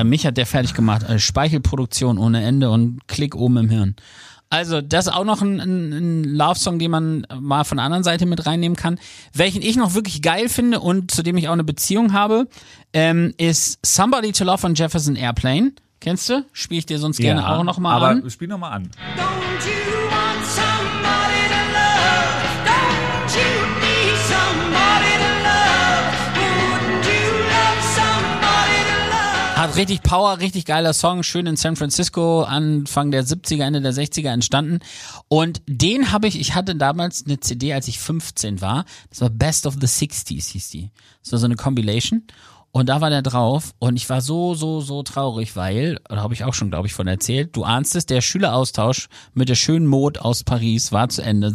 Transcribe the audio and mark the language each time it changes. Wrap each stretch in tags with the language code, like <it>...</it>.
<de>Ja, mich hat der fertig gemacht. Speichelproduktion ohne Ende und Klick oben im Hirn. Also, das ist auch noch ein Love-Song, den man mal von der anderen Seite mit reinnehmen kann. Welchen ich noch wirklich geil finde und zu dem ich auch eine Beziehung habe, ist Somebody to Love von Jefferson Airplane. Kennst du? Spiel ich dir sonst gerne auch nochmal an. Aber spiel nochmal an.</de> <en>Don't you want somebody to love? Don't you need somebody to love? Wouldn't you love somebody to love?</en> <de>Hat richtig Power, richtig geiler Song. Schön in San Francisco, Anfang der 70er, Ende der 60er entstanden. Und den habe ich hatte damals eine CD, als ich 15 war. Das war Best of the 60s, hieß die. Das war so eine Compilation. Und da war der drauf und ich war so traurig, weil, da habe ich auch schon, glaube ich, von erzählt, du ahnst es, der Schüleraustausch mit der schönen Maud aus Paris war zu Ende.</de>